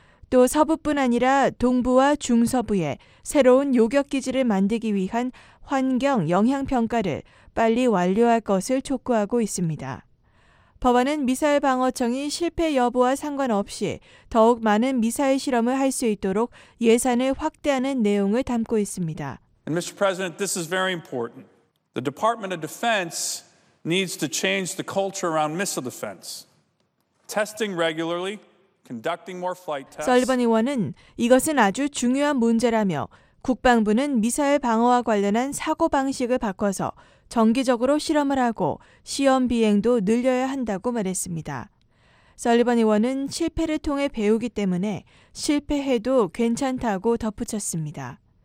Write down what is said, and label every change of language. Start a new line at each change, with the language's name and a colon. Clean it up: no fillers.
Korean: 또 서부뿐 아니라 동부와 중서부에 새로운 요격기지를 만들기 위한 환경 영향평가를 빨리 완료할 것을 촉구하고 있습니다. 법안은 미사일 방어청이 실패 여부와 상관없이 더욱 많은 미사일 실험을 할 수 있도록 예산을 확대하는 내용을 담고 있습니다.
English: And Mr. President, this is very important. The Department of Defense needs to change the culture around missile defense. Testing regularly, conducting more flight tests.
Korean: 설리번 의원은 이것은 아주 중요한 문제라며 국방부는 미사일 방어와 관련한 사고 방식을 바꿔서 정기적으로 실험을 하고 시험 비행도 늘려야 한다고 말했습니다. 설리번 의원은 실패를 통해 배우기 때문에 실패해도 괜찮다고 덧붙였습니다.